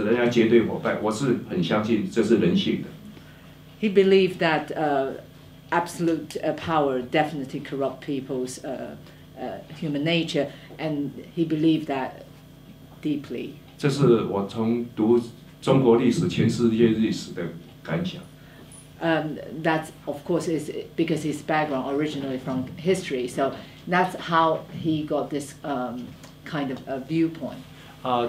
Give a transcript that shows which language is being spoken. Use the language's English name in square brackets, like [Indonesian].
[Chinese] 政治权力使人家腐败，绝对权力使人家结对伙伴，我是很相信这是人性的。 [English] He believed that absolute power definitely corrupt people's human nature, and he believed that deeply. [Chinese] 这是我从读中国历史、全世界历史的感想。 [English] That, of course, is because his background originally from history, so that's how he got this kind of a viewpoint.